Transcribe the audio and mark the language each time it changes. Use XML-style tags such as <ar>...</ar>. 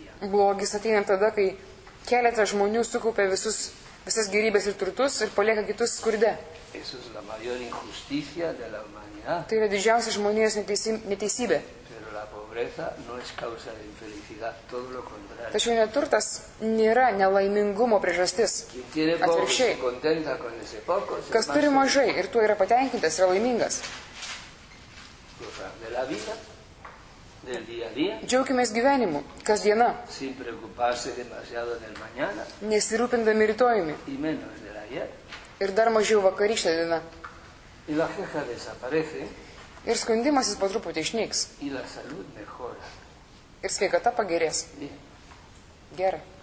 <lt>Blogis ateina tada, kai keletas žmonių sukaupia visus, visas gyrybės ir turtus ir palieka kitus skurde.</lt> <es>Eso es la mayor injusticia de la humanidad.</es> <lt>Tai yra didžiausia žmonijos neteisybė.</lt> <es>Pero la pobreza no es causa de infelicidad, todo lo contrario.</es> <lt>Tačiau neturtas nėra nelaimingumo priežastis. Atvirkščiai.</lt> <es>Contenta con ese poco,</es> <lt>kas turi mažai ir tuo yra patenkintas, yra laimingas.</lt> <es>De la vida, del día a día.</es> <lt>Džiaukimės gyvenimu, kasdiena.</lt> <es>Sin preocuparse demasiado del mañana.</es> <lt>Nesirūpindami rytojumi.</lt> <es>Y menos de la ayer.</es> <lt>Ir dar mažiau vakarykštė diena. Ir skundimas jis po truputį išnyks. Ir sveikata pagerės. Gerai.</lt>